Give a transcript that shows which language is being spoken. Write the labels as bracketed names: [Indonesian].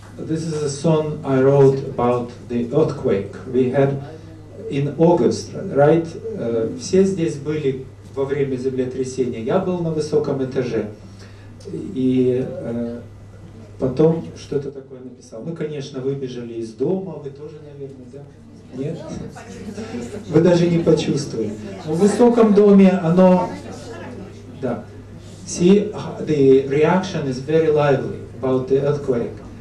[English] This is a song I wrote about the earthquake we had in August, right? [Russian] Все здесь были во время землетрясения. Я был на высоком этаже. И потом что-то такое написал. Мы, конечно, выбежали из дома, вы тоже, наверное, да? Нет? Вы даже не почувствовали. В высоком доме оно... Да. [English] See, the reaction is very lively about the earthquake.